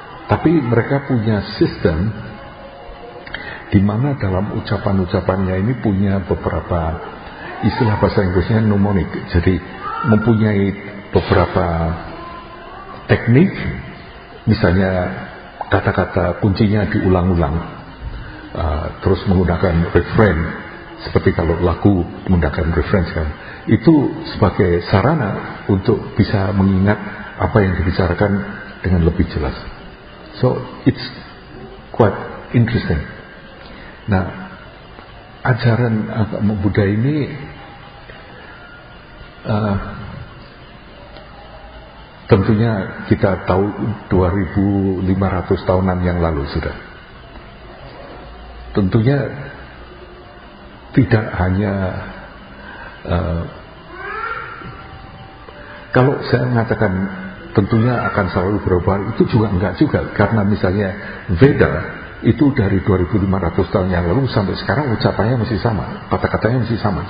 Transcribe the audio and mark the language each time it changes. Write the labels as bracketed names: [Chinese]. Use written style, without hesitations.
[Indonesian] Tapi mereka punya sistem di mana dalam ucapan-ucapannya ini punya beberapa istilah bahasa Inggrisnya mnemonic, jadi mempunyai beberapa teknik, misalnya kata-kata kuncinya diulang-ulang, terus menggunakan refrain, seperti kalau lagu menggunakan refrain kan, itu sebagai sarana untuk bisa mengingat apa yang dibicarakan dengan lebih jelas. [English] So it's quite interesting. [Indonesian] Nah, ajaran agama Buddha ini tentunya kita tahu 2500 tahunan yang lalu sudah. Tentunya tidak hanya kalau saya mengatakan tentunya akan selalu berubah, itu juga enggak juga, karena misalnya Veda itu dari 2500 tahun yang lalu sampai sekarang ucapannya masih sama, kata-katanya masih sama.